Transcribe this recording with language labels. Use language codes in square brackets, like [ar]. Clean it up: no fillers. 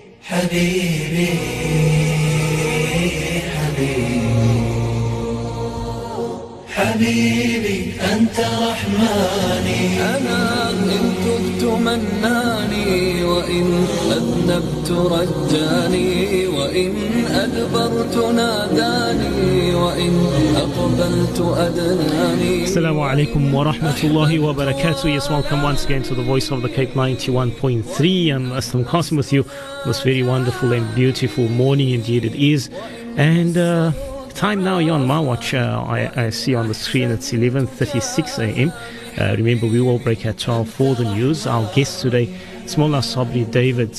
[ar] Habibi, Habibi, أنت رحماني. أنا إن تبت مناني وإن أذنبت رجاني وإن أدبرت ناداني وإن أقبلت أدناني. السلام عليكم ورحمة الله وبركاته. [en] Yes, welcome once again to the Voice of the Cape 91.3. I'm Aslam Qasim with you. This very wonderful and beautiful morning indeed it is. And time now on my watch, I see on the screen it's 11:36 a.m. Remember, we will break at 12 for the news. Our guest today is Moulana Sabri Davids.